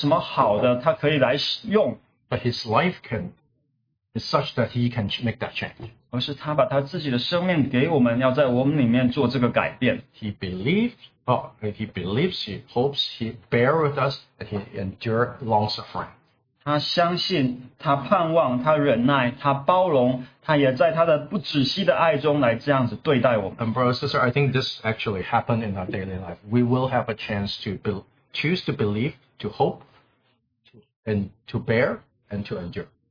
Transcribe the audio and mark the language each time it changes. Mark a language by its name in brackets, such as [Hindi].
[Chinese] 神看我们，并不是我们里面有些什么好的，他可以来用。 [English] But his life can is such that he can make that change. [Chinese] 而是他把他自己的生命给我们，要在我们里面做这个改变。 [English] He believes, he hopes, he bear with us, and he endure long suffering. [Chinese] 他相信，他盼望，他忍耐，他包容，他也在他的不止息的爱中来这样子对待我们。 [English] And brother, sister, I think this actually happened in our daily life. We will have a chance to choose to believe, to hope, and to bear, and to endure.